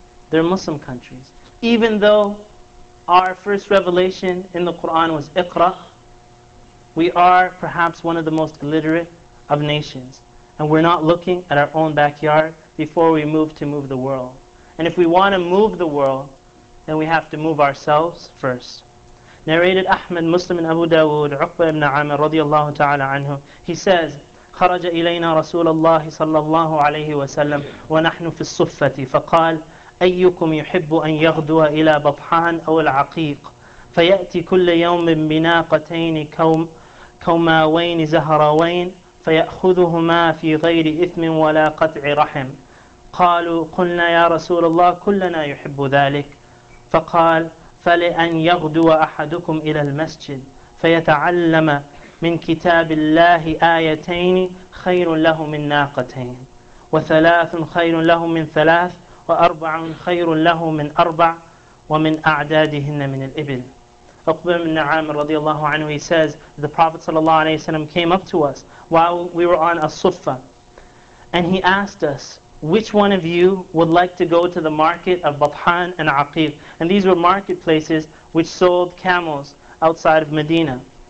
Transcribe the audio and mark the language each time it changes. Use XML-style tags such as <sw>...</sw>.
<en>They're Muslim countries. Even though our first revelation in the Quran was Iqra, we are perhaps one of the most illiterate of nations. And we're not looking at our own backyard before we move the world. And if we want to move the world, then we have to move ourselves first. Narrated Ahmad, Muslim and Abu Dawood, Uqba ibn Amr radiallahu ta'ala anhu, he says,</en> <ar>خرج إلينا رسول الله صلى الله عليه وسلم ونحن في الصفة فقال أيكم يحب أن يغدو إلى بطحان أو العقيق فيأتي كل يوم بناقتين كوماوين زهروين فيأخذهما في غير إثم ولا قطع رحم قالوا قلنا يا رسول الله كلنا يحب ذلك فقال فلأن يغدو أحدكم إلى المسجد فيتعلم من كتاب الله آيتين خير له من ناقتين وثلاث خير له من ثلاث وأربع خير له من أربع ومن أعدادهن من الإبل.</ar> <en>Uqba ibn Amr radiallahu anhu, he says, the Prophet sallallahu alayhi wa sallam came up to us while we were on As-Suffa. And he asked us, which one of you would like to go to the market of Bathan and Aqib? And these were marketplaces which sold camels outside of Medina.</en>